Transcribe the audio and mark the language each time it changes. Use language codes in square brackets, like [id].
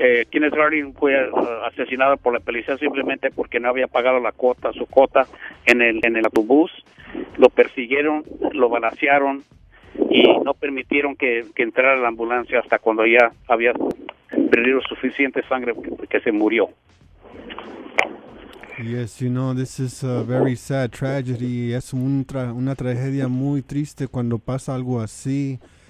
[es] Kenneth Harding fue asesinado por la policía simplemente porque no había pagado la cuota, su cuota en el autobús. Lo persiguieron, lo balacearon y no permitieron que entrara la ambulancia hasta cuando ya había perdido suficiente sangre que se murió. [en] Yes, you know, this is a very sad tragedy. [es] Es una tragedia muy triste cuando pasa algo así.